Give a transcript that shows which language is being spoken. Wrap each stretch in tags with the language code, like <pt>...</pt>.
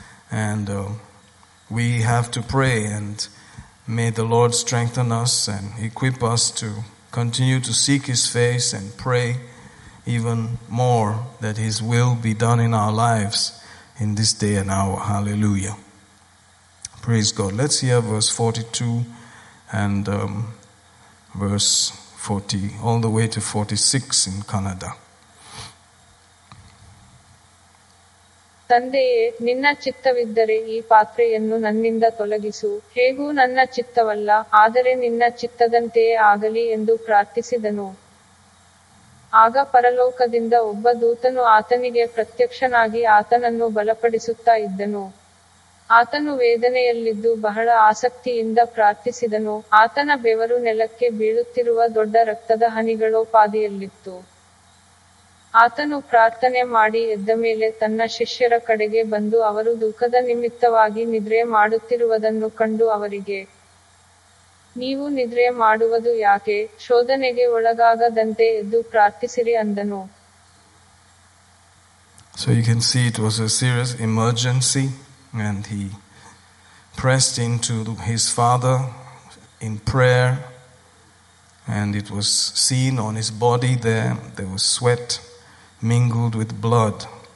<en>And we have to pray. And may the Lord strengthen us and equip us to continue to seek his face and pray even more that his will be done in our lives in this day and hour. Hallelujah. Praise God. Let's hear verse 42 and verse 40, all the way to 46 in Kannada.</en> <kn>ತಂದೆಯೇ, ನಿನ್ನ ಚಿತ್ತವಿದ್ದರೆ ಈ ಪಾತ್ರೆಯನ್ನು ನನ್ನಿಂದ ತೊಲಗಿಸು. ಹೇಗೂ ನನ್ನ ಚಿತ್ತವಲ್ಲ, ಆದರೆ ನಿನ್ನ ಚಿತ್ತದಂತೆಯೇ ಆಗಲಿ ಎಂದು ಪ್ರಾರ್ಥಿಸಿದನು. ಆಗ ಪರಲೋಕದಿಂದ ಒಬ್ಬ ದೂತನು ಆತನಿಗೆ ಪ್ರತ್ಯಕ್ಷನಾಗಿ ಆತನನ್ನು ಬಲಪಡಿಸುತ್ತಾ ಇದ್ದನು. ಆತನು ವೇದನೆಯಲ್ಲಿದ್ದು ಬಹಳ ಆಸಕ್ತಿಯಿಂದ ಪ್ರಾರ್ಥಿಸಿದನು. ಆತನ ಬೆವರು ನೆಲಕ್ಕೆ ಬೀಳುತ್ತಿರುವ ದೊಡ್ಡ ರಕ್ತದ ಹನಿಗಳೋ ಪಾದಿಯಲ್ಲಿತ್ತು. ಆತನು ಪ್ರಾರ್ಥನೆ ಮಾಡಿ ಎದ್ದ ಮೇಲೆ ತನ್ನ ಶಿಷ್ಯರ ಕಡೆಗೆ ಬಂದು ಅವರು ದುಃಖದ ನಿಮಿತ್ತವಾಗಿ ನಿದ್ರೆ ಮಾಡುತ್ತಿರುವುದನ್ನು ಕಂಡು ಅವರಿಗೆ, ನೀವು ನಿದ್ರೆ ಮಾಡುವುದು ಯಾಕೆ? ಶೋಧನೆಗೆ ಒಳಗಾಗದಂತೆ ಎದ್ದು ಪ್ರಾರ್ಥಿಸಿರಿ ಅಂದನು.</kn> <en>So you can see it was a serious emergency, and he pressed into his father in prayer, and it was seen on his body there was sweat mingled with blood.</en>